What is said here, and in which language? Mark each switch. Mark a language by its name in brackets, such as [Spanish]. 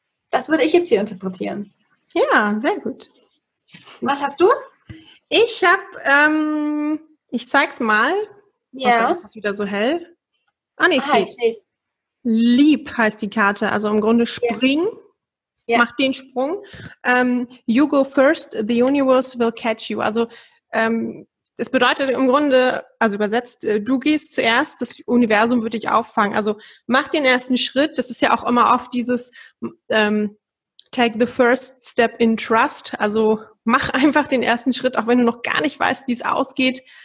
[German] Das würde ich jetzt hier interpretieren. Ja, sehr gut. Was hast du? Ich habe, ich zeig's mal. Ja. Ob das ist wieder so hell. Ah, nee, ich seh's. Lieb heißt die Karte, also im Grunde springen. Ja. Ja. Mach den Sprung. [English] You go first, the universe will catch you. [German] Also es bedeutet im Grunde, also übersetzt, du gehst zuerst, das Universum wird dich auffangen. Also mach den ersten Schritt. Das ist ja auch immer oft dieses [English] take the first step in trust. [German] Also mach einfach den ersten Schritt, auch wenn du noch gar nicht weißt, wie es ausgeht.